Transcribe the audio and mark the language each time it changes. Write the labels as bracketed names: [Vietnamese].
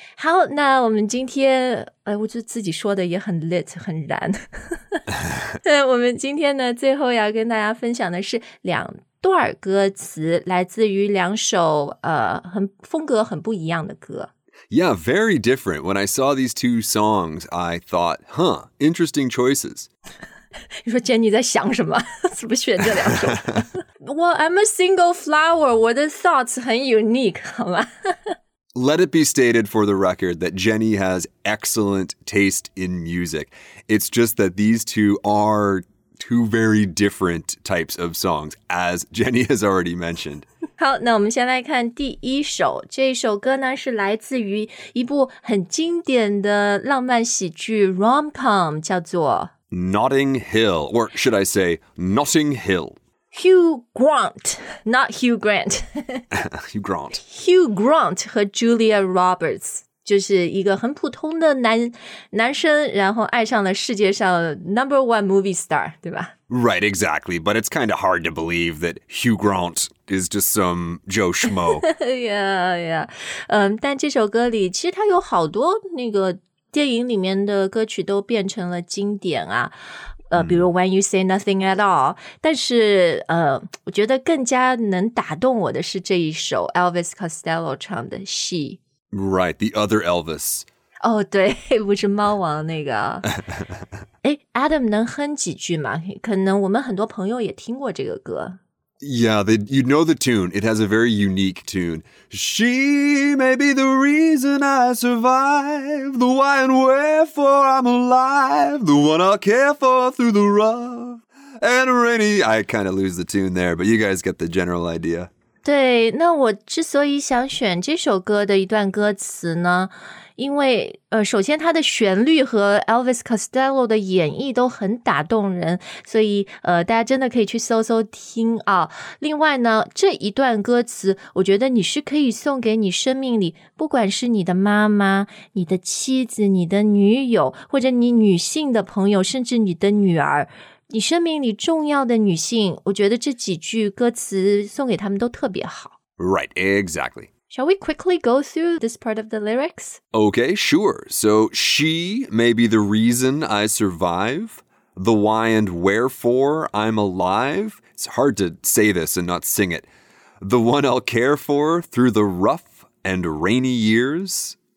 [Chinese] 好，那我们今天我就自己说的也很 lit, 很燃。对，我们今天呢最后要跟大家分享的是两段歌词，来自于两首很风格很不一样的歌。 [English] Yeah, very different. When I saw these two songs, I thought, huh, interesting choices. [Chinese] 你说 Jenny 在想什么？怎么选这两首？ [English] Well, I'm a single flower. [Chinese] 我的 thoughts 很 unique, 好吗？ [English] Let it be stated for the record that Jenny has excellent taste in music. It's just that these two are two very different types of songs, as Jenny has already mentioned. [Chinese] 好，那我们先来看第一首。这首歌呢是来自于一部很经典的浪漫喜剧 rom-com, 叫做 [English] Notting Hill, or should I say Notting Hill. Hugh Grant, not Hugh Grant. Hugh Grant. [Chinese] Hugh Grant 和 Julia Roberts, 就是一个很普通的男生然后爱上了世界上 [English] number one movie star, [Chinese] 对吧？ [English] Right, exactly. But it's kind of hard to believe that Hugh Grant is just some Joe Schmo. Yeah, yeah. [Chinese] 但这首歌里其实它有好多那个电影里面的歌曲都变成了经典啊。比如 When You Say Nothing At All. 但是我觉得更加能打动我的是这一首 Elvis Costello 唱的 She. [English] Right, the other Elvis. [Chinese] 哦，对，不是猫王那个。哎，Adam 能哼几句吗？可能我们很多朋友也听过这个歌。 [English] Yeah, you know the tune. It has a very unique tune. She may be the reason I survive, the why and wherefore I'm alive, the one I'll care for through the rough and rainy. I kind of lose the tune there, but you guys get the general idea. [Chinese] 对，那我之所以想选这首歌的一段歌词呢，因为首先它的旋律和 Elvis Costello 的演绎都很打动人，所以大家真的可以去搜搜听啊。另外呢，这一段歌词我觉得你是可以送给你生命里不管是你的妈妈、你的妻子、你的女友或者你女性的朋友，甚至你的女儿，你生命里重要的女性，我觉得这几句歌词送给她们都特别好。 [English] Right, exactly. Shall we quickly go through this part of the lyrics? Okay, sure. So, she may be the reason I survive, the why and wherefore I'm alive. It's hard to say this and not sing it. The one I'll care for through the rough and rainy years.